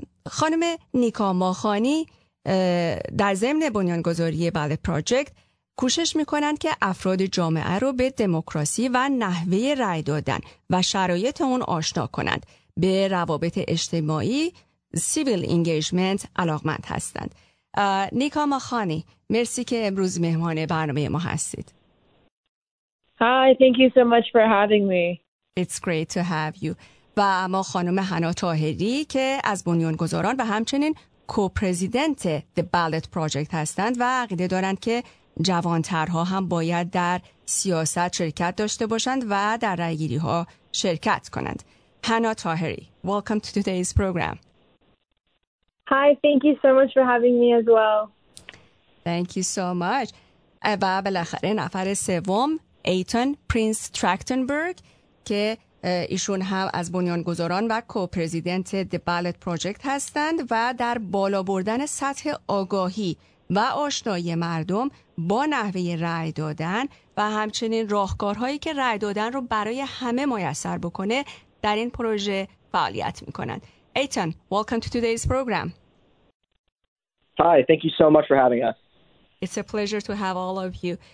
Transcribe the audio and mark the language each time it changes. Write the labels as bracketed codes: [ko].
[fa] خانم نیکا ماخانی در ضمن بنیانگذاری بالت پروژکت کوشش میکنند که افراد جامعه رو به دموکراسی و نحوه رای دادن و شرایط اون آشنا کنند. به روابط اجتماعی سیویل انگیجمنت علاقمند هستند. نیکا ماخانی، مرسی که امروز مهمان برنامه ما هستید. [en] Hi, thank you so much for having me. It's great to have you. [fa] و اما خانم حنا طاهری که از بنیانگذاران و همچنین کوپرزیدنت The Ballot Project هستند و عقیده دارند که جوانترها هم باید در سیاست شرکت داشته باشند و در رأی‌گیری ها شرکت کنند. [en] حنا طاهری، welcome to today's program. Hi, thank you so much for having me as well. Thank you so much. [fa] و بالاخره نفر سوم، ایتن پرینس تراکتنبرگ که ایشون هم از بنیانگذاران و کوپرزیدنت The Ballot Project هستند و در بالا بردن سطح آگاهی و آشنایی مردم با نحوه رای دادن و همچنین راهکارهایی که رای دادن رو برای همه میسر بکنه در این پروژه فعالیت میکنند. [en] Ethan, welcome to today's program. Hi, thank you so much for having us. It's a pleasure to have all of you.